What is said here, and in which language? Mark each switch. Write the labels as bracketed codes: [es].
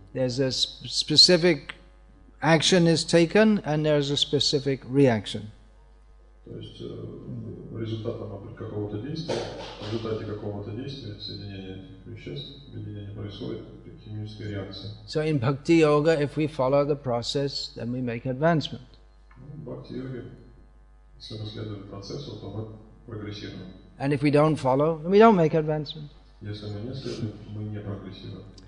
[en] There's a specific action is taken, and there is a specific reaction. [ru] То есть результатом какого-то действия, в результате какого-то действия соединение веществ, объединение происходит при химической реакции. [en] So in Bhakti Yoga, if we follow the process, then we make advancement. [ru] В Бхакти Йоге, если мы следуем процессу, то мы прогрессируем. [en] And if we don't follow, then we don't make advancement. [ru] Если мы не следуем, мы не прогрессируем.